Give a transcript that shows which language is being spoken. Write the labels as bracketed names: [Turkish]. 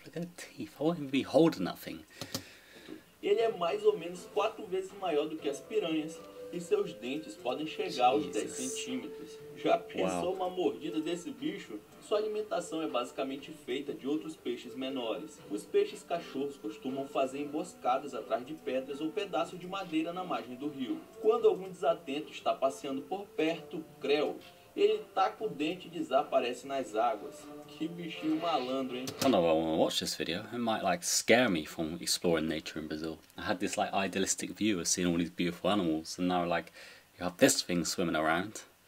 [English] Look at the teeth. I won't even be holding that thing. [Portuguese] Ele é mais ou menos 4 vezes maior do que as piranhas e seus dentes podem chegar aos 10 [English] Jesus. [Portuguese] centímetros. Já [English] Wow. [Portuguese] pensou uma mordida desse bicho? Sua alimentação é basicamente feita de outros peixes menores. Os peixes cachorros costumam fazer emboscadas atrás de pedras ou pedaços de madeira na margem do rio. Quando algum desatento está passeando por perto, creu, ele taca o dente e desaparece nas águas. Que bichinho malandro, hein? [English] I don't know if I want to watch this video. It might like scare me from exploring nature in Brazil. I had this like idealistic view of seeing all these beautiful animals, and now like you have this thing swimming around.